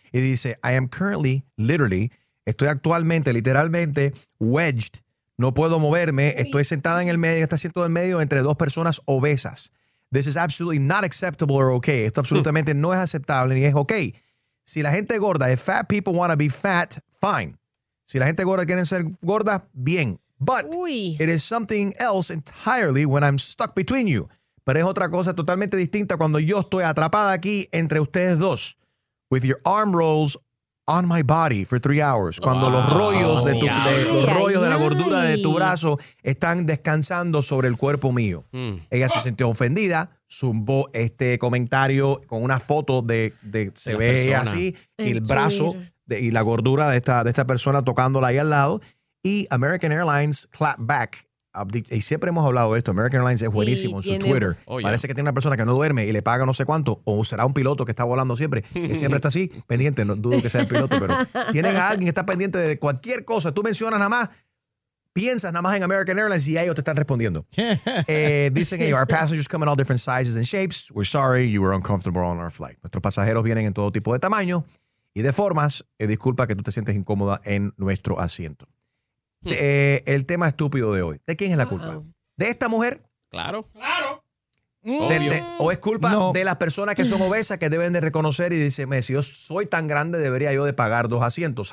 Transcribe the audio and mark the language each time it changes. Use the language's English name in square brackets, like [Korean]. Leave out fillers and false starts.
[Spanish] Y dice, [English] I am currently, literally, [Spanish] estoy actualmente, literalmente, [English] wedged. [Spanish] No puedo moverme. Estoy sentada en el medio, en este asiento del medio, entre dos personas obesas. [English] This is absolutely not acceptable or okay. [Spanish] Esto absolutamente no es aceptable ni es okay. Si la gente gorda, [English] if fat people want to be fat, fine. [Spanish] Si la gente gorda quieren ser gorda, bien. [English] But it is something else entirely when I'm stuck between you. [Spanish] Pero es otra cosa totalmente distinta cuando yo estoy atrapada aquí entre ustedes dos. [English] With your arm rolls on my body for 3 hours. [Spanish] Cuando los rollos de tu de la gordura de tu brazo están descansando sobre el cuerpo mío. Ella se sintió ofendida, zumbó este comentario con una foto de se ve persona. Así, y el brazo de, y la gordura de esta persona tocándola ahí al lado. Y American Airlines [English] clap back. [Spanish] Y siempre hemos hablado de esto. American Airlines es buenísimo en su Twitter. Parece que tiene una persona que no duerme y le paga no sé cuánto. O será un piloto que está volando siempre. Que siempre está así, pendiente. No dudo que sea el piloto, pero tienen a alguien que está pendiente de cualquier cosa. Tú mencionas nada más, piensas nada más en American Airlines y ellos te están respondiendo. Dicen ellos, [English] our passengers come in all different sizes and shapes. We're sorry, you were uncomfortable on our flight. [Spanish] Nuestros pasajeros vienen en todo tipo de tamaño y de formas. Disculpa que tú te sientes incómoda en nuestro asiento. El tema estúpido de hoy. ¿De quién es la culpa? ¿De esta mujer? Claro. ¿O es culpa de las personas que son obesas que deben de reconocer y dicen, si yo soy tan grande, debería yo de pagar dos asientos?